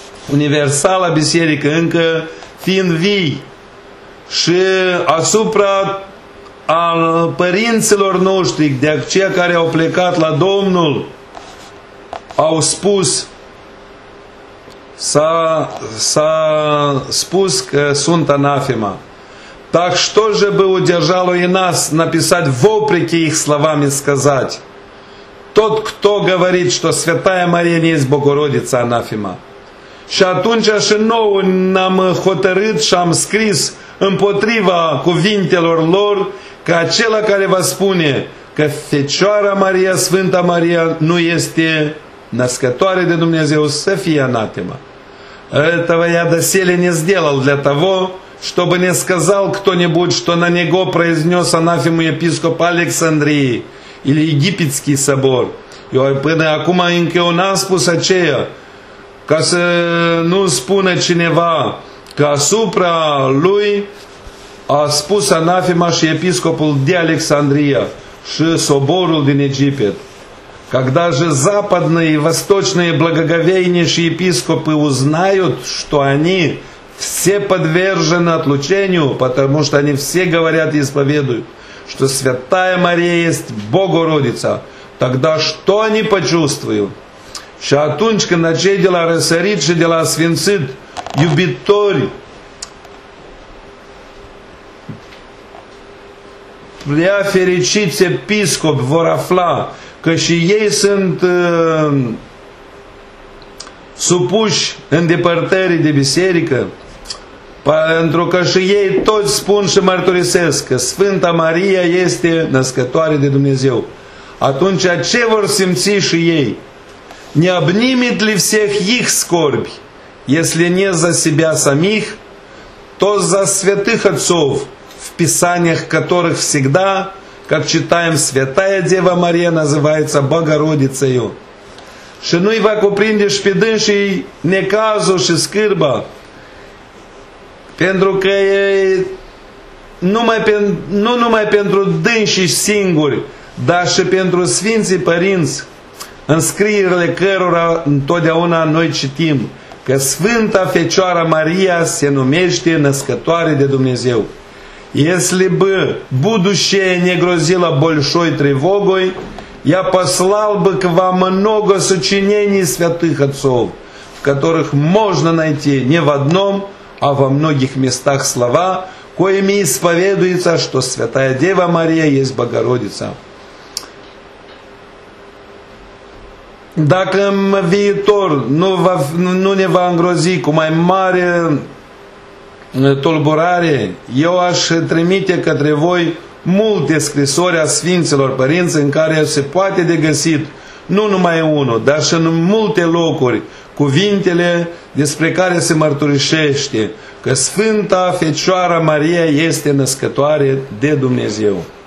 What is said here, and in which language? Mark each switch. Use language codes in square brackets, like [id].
[ro] universală a bisericii, încă fiind vii, și asupra al părinților noștri, de aceia care au plecat la Domnul, au spus, s-a spus că sunt anafema. [ru] Так что же бы удержало и нас написать вопреки их словам и сказать? Тот, кто говорит, что Святая Мария не есть Богородица, анафема. [ro] Și atunci și nou ne-am hotărât și am scris împotriva cuvintelor lor că acela care va spune că Fecioara Maria, Sfânta Maria nu este născătoare de Dumnezeu, să fie anatema. [ru] Этого я доселе не сделал для того, чтобы не сказал кто-нибудь, что на него произнес анафему епископ Александрии или Египетский собор. [ro] И până acum încă eu n-am spus aceea, ca să nu spună cineva că asupra lui a spus anafema și episcopul de Александрия și соборul din Египет. [ru] Когда же западные и восточные благоговейнейшие епископы узнают, что они все подвержены отлучению, потому что они все говорят и исповедуют, что Святая Мария есть Богородица, тогда что они почувствуют? [ro] Și atunci când acei de la răsărit și de la sfințit iubitori prea fericiți episcopi vor afla că și ei sunt supuși îndepărtării de biserică, pentru că și ei toți spun și mărturisesc că Sfânta Maria este născătoare de Dumnezeu. Atunci ce vor simți și ei? [ru] Не обнимет ли всех их скорбь, если не за себя самих, то за святых отцов, в писаниях которых всегда, как читаем, Святая Дева Мария называется Богородицею. [ro] Și nu-i va cuprinde și pe dânșii necazul și scârba, pentru că ei nu numai pentru dânșii singuri, dar și pentru Sfinții Părinți, în scrierile cărora întotdeauna noi citim că Sfânta Fecioară Maria se numește Născătoare de Dumnezeu. [ru] Если бы будущее не грозило большой тревогой, я послал бы к вам много сочинений святых отцов, в которых можно найти не в одном, а во многих местах слова, коими исповедуется, что Святая Дева Мария есть Богородица. [ro] Dacă în viitor nu ne va îngrozi cu mai mare tulburare, eu aș trimite către voi multe scrisori a Sfinților Părinți în care se poate de găsit nu numai unul, dar și în multe locuri cuvintele despre care se mărturisește că Sfânta Fecioară Maria este născătoare de Dumnezeu.